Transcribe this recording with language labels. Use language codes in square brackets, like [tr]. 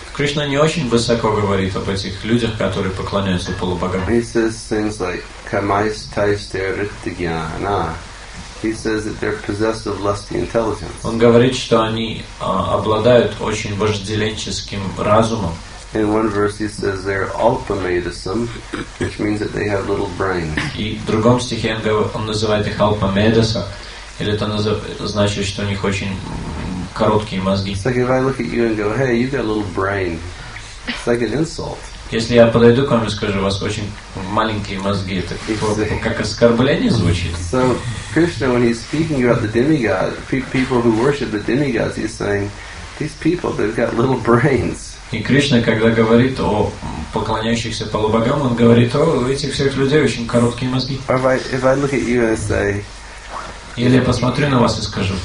[ru] Кришна не очень высоко говорит об этих людях, которые поклоняются полубогам. [en] He says things like [sa] kamais taiste rittigyana. [en] He says that they're possessed of lusty intelligence. [ru] Он говорит, что они обладают очень вожделенческим разумом. [en] In one verse he says they're alpamedasam, which means that they have little brains. [ru] И в другом стихе он называет их alpamedasa, или это значит, что у них очень короткие мозги. [en] It's like if I look at you and go, hey, you got a little brain. It's like an insult. [ru] Если я подойду к вам и скажу, у вас очень маленькие мозги, это как оскорбление звучит. [en] So Krishna, when he's speaking about the demigods, people who worship the demigods, he's saying, these people, they've got little brains. [ru] И Кришна, когда говорит о поклоняющихся полубогам, он говорит, о, у этих всех людей очень короткие мозги. [en] If I look at you and say, [ru] или я посмотрю на вас и скажу,